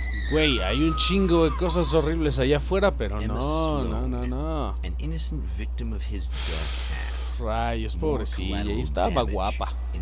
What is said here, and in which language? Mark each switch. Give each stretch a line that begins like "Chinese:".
Spanish: Güey, hay un chingo de cosas horribles allá afuera, pero no, no, no, no.
English: An innocent victim of his dark half.
Spanish: Rayos, pobrecilla, y estaba guapa.